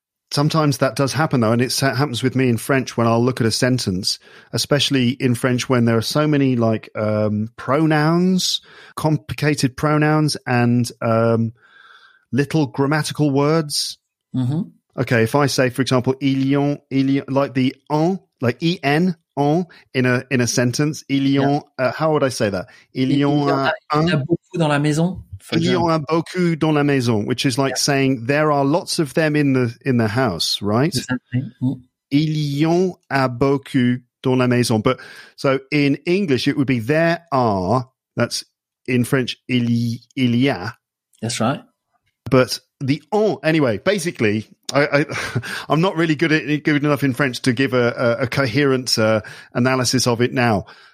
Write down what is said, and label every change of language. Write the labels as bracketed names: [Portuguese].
[English] Sometimes that does happen, though, and it happens with me in French when I'll look at a sentence, especially in French when there are so many pronouns, complicated pronouns and little grammatical words. Mm-hmm. Okay, if I say, for example, il y a, like the en, like en, en, in a sentence, il y a, how would I say that? [French] Il y a beaucoup dans la maison. Il y en a beaucoup dans la maison, [English] which is like saying there are lots of them in the house, right? Exactly. [French] Il y en a beaucoup dans la maison. [English] But so in English, it would be there are, that's in French, il y a. That's right. But the en, anyway, basically, I'm not really good enough in French to give a coherent analysis of it now.